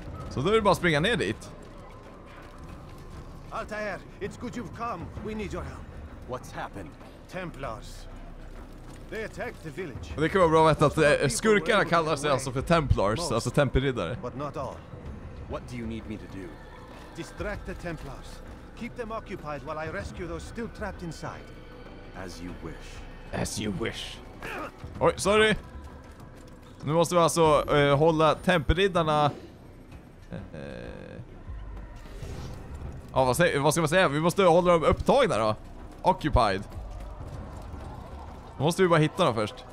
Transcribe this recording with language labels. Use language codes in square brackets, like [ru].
[sv] Så då är det bara springa ner dit. [en] Altair, it's good you've come. We need your help. What's happened? Templars. They attacked the village. [sv] Det kan vara bra att veta att skurkarna kallar sig alltså för Templars, alltså tempelriddare. [en] But not all. What do you need me to do? Distract the Templars. Keep them occupied while I rescue those still trapped inside. As you wish. As you wish. Oj, sorry. [sv] Nu måste vi alltså hålla tempelriddarna. Vad ska man säga? Vi måste hålla dem upptagna då. Occupied. Då måste vi bara hitta dem först.